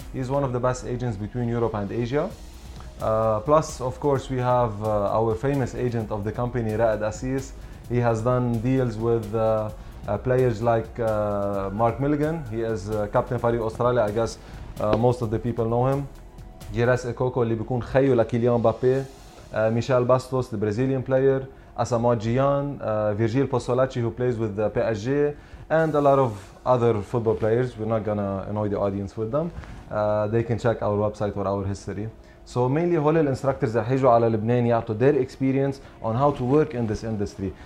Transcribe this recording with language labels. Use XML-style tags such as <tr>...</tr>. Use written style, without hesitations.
<en>He's one of the best agents between Europe and Asia. Plus, of course, we have our famous agent of the company, Raed Assis. He has done deals with players like Mark Milligan. He is Captain Fari Australia. I guess most of the people know him.</en> <ar>Gires Ekoko, اللي بيكون خيو لكيليان بابي.</ar> <en>Michel Bastos, the Brazilian player, Asamoah Gyan, Virgil Pozzolacci, who plays with PSG, and a lot of other football players. We're not gonna annoy the audience with them. They can check our website or our history. So mainly,</en> <ar>هول الانستراكترز رح يجوا على لبنان يعطوا</ar> <en>their experience on how to work in this industry.</en>